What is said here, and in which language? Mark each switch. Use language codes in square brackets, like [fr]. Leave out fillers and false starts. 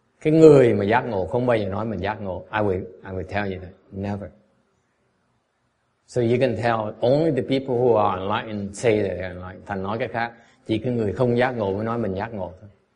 [vi] Cái người mà giác ngộ không bao giờ nói mình giác ngộ. [en] I will tell you that. Never. So you can tell only the people who are enlightened say that they're enlightened. [vi] Thành nói cái khác, chỉ cái người không giác ngộ mới nói mình giác ngộ thôi.